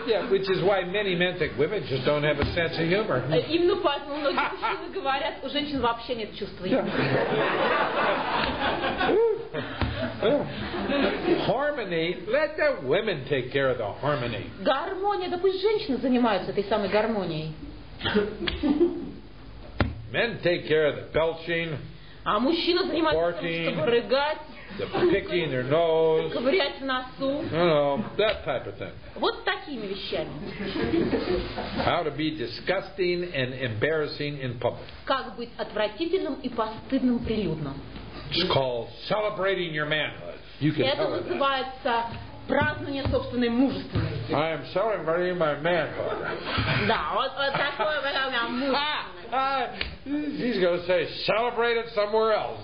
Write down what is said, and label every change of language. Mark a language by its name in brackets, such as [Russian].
[English] Which is why many men think women just don't have a sense of humor. [Russian] Именно поэтому многие мужчины говорят, у женщин вообще нет чувства юмора. [English] Harmony, let the women take care of the harmony. [Russian] Гармония, да пусть женщины занимаются этой самой гармонией. [English] Men take care of the belching. [Russian] А мужчина занимается тем, чтобы рыгать, [English] the picking their nose, [Russian] ковырять в носу. [English] That type of thing. [Russian] Вот такими вещами. [English] How to be disgusting and embarrassing in public. [Russian] Как быть отвратительным и постыдным прилюдно. [English] It's called celebrating your manhood. You can [Russian] это называется празднование собственной мужественности. [English] I am celebrating my manhood. [Russian] Да, вот такое было у меня мужественность. [English] He's going to say, celebrate it somewhere else.